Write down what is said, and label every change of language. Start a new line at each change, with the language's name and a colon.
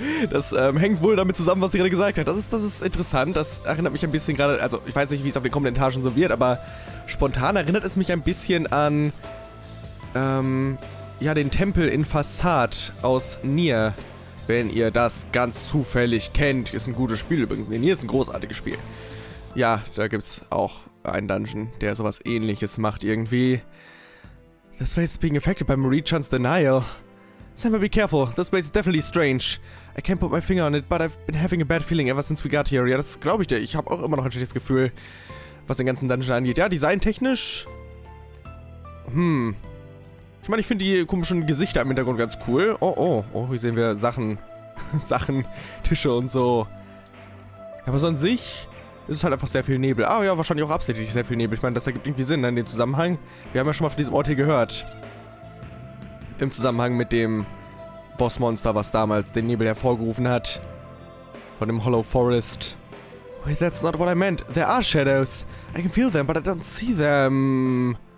German: Das hängt wohl damit zusammen, was sie gerade gesagt hat. Das ist interessant, das erinnert mich ein bisschen gerade, also ich weiß nicht, wie es auf den Kommentaren so wird, aber spontan erinnert es mich ein bisschen an, ja, den Tempel in Fassad aus Nier, wenn ihr das ganz zufällig kennt. Ist ein gutes Spiel übrigens, Nier ist ein großartiges Spiel. Ja, da gibt's auch einen Dungeon, der sowas ähnliches macht irgendwie.
English: This place is being affected by Marie-chan's denial. Senpai, be careful. This place is definitely strange. I can't put my finger on it, but I've been having a bad feeling ever since we got here.
German: Ja, das glaube ich dir. Ich habe auch immer noch ein schlechtes Gefühl, was den ganzen Dungeon angeht. Ja, designtechnisch? Ich meine, ich finde die komischen Gesichter im Hintergrund ganz cool. Oh, hier sehen wir Sachen. Sachen, Tische und so. Aber so an sich ist es halt einfach sehr viel Nebel. Ah ja, wahrscheinlich auch absichtlich sehr viel Nebel. Ich meine, das ergibt irgendwie Sinn in dem Zusammenhang. Wir haben ja schon mal von diesem Ort hier gehört. Im Zusammenhang mit dem Bossmonster, was damals den Nebel hervorgerufen hat. Von dem Hollow Forest.
English: Wait, that's not what I meant. There are shadows. I can feel them, but I don't see them.